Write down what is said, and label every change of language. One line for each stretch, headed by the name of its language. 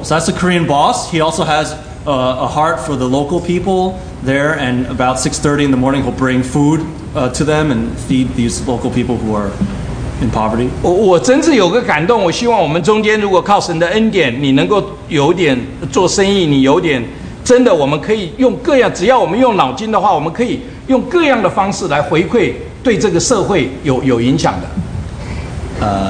English: So that's the Korean boss. He also has a heart for the local people there. And about 6:30 in the morning, he'll bring food to them and feed these local people who are. In poverty.
Chinese: 我真是有个感动，我希望我们中间如果靠神的恩典，你能够有点做生意，你有点真的，我们可以用各样，只要我们用脑筋的话，我们可以用各样的方式来回馈对这个社会有影响的。